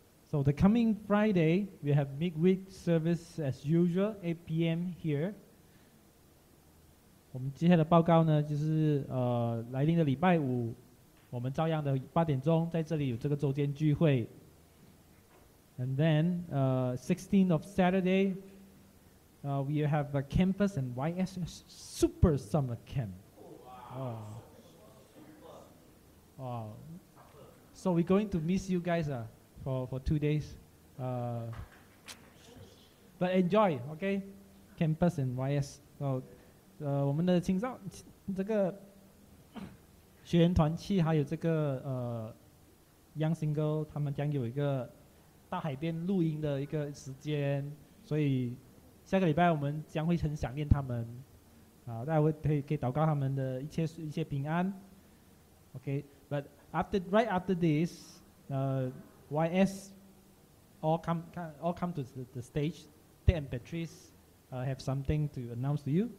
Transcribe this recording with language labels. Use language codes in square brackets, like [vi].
[en] So the coming Friday, we have midweek service as usual, 8 p.m. here. [zh] 我们接下来的报告呢，就是来临的礼拜五，我们照样的八点钟在这里有这个周间聚会。 [en] And then, 16th of Saturday, we have a campus and YSS Super Summer Camp. Wow. So we're going to miss you guys for 2 days. But enjoy, okay? Campus and YS. [zh] So, 我们的青少这个学员团契还有这个Young Single, 他们将有一个大海边露营的一个时间，所以下个礼拜我们将会很想念他们，大家会可以祷告他们的一切平安 ，OK。 [en] But right after this, YS all come to the stage. Ted and Patrice have something to announce to you.